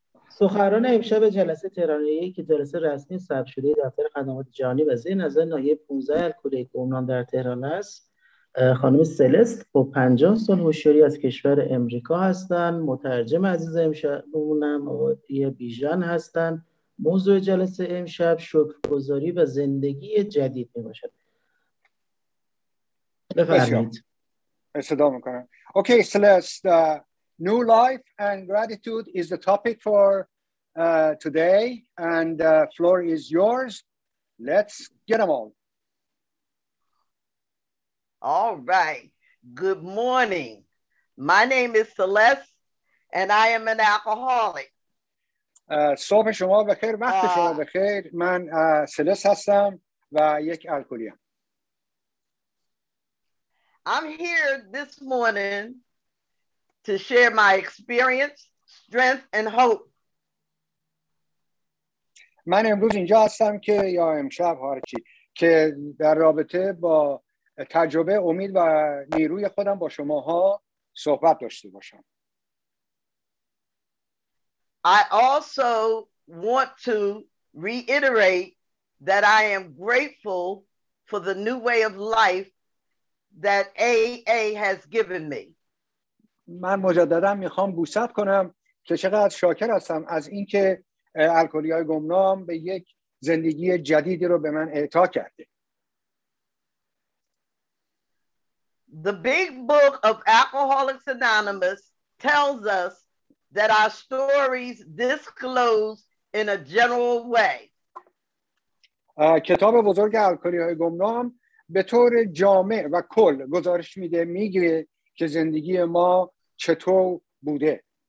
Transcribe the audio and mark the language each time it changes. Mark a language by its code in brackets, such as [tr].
[fa] سخنران امشب جلسه تهرانیه که جلسه رسمی ثبت شده دفتر خدمات جهانی و ضمن از ناحیه 15 الکل گمنام در تهران است، خانم سلست با 50 سال هوشیاری از کشور امریکا هستند، مترجم عزیز امشبمونم آقای بیژن هستند. موضوع جلسه امشب شکرگزاری و زندگی جدید می باشد. بفرمایید. صدا میکنم. [en] Okay Celeste, new life and gratitude is the topic for today and the floor is yours. Let's get them on. All right. Good morning. My name is Celeste and I am an alcoholic. [fa] صبح شما بخیر، وقت شما بخیر. من سلس هستم و یک الکلیم. [en] I'm here this morning to share my experience, strength and hope. [fa] من امروز اینجا هستم که یا امشب هرچی که در رابطه با تجربه، امید و نیروی خودم با شماها صحبت داشته باشم. [en] I also want to reiterate that I am grateful for the new way of life that AA has given me. [fa] من مجددا میخوام بوست کنم که چقدر شاکر هستم از اینکه الکلی های گمنام به یک زندگی جدیدی رو به من اعطا کرده. [en] The big book of Alcoholics Anonymous tells us that our stories disclose in a general way. [fa] کتاب بزرگ الکلی های گمنام به طور جامع و کل گزارش میده، میگه که زندگی ما چطور بوده.